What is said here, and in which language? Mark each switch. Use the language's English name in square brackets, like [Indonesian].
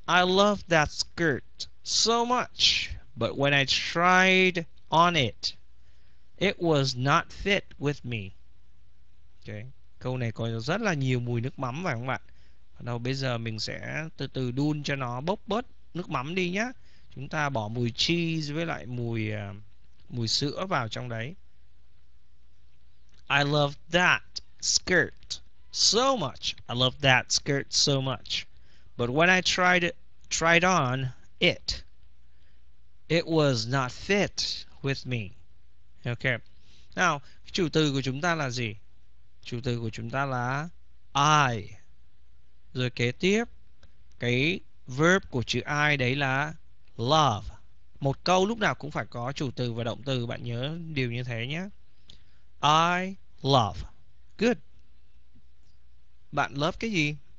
[English] I love that skirt so much, but when I tried on it, it was not fit with me. Okay. [Vietnamese] Câu này có rất là nhiều mùi nước mắm phải không bạn? Bắt đầu bây giờ mình sẽ từ từ đun cho nó bốc bớt nước mắm đi nhá. Chúng ta bỏ mùi cheese với lại mùi mùi sữa vào trong đấy. [English] I love that skirt so much. I love that skirt so much. But when I tried on it, it was not fit with me. Okay. [Vietnamese] Now, chủ từ của chúng ta là gì? Chủ từ của chúng ta là I. Rồi kế tiếp, cái verb của chữ I đấy là love. Một câu lúc nào cũng phải có chủ từ và động từ. Bạn nhớ điều như thế nhé. [English] I love. Good. [Vietnamese] Bạn love cái gì?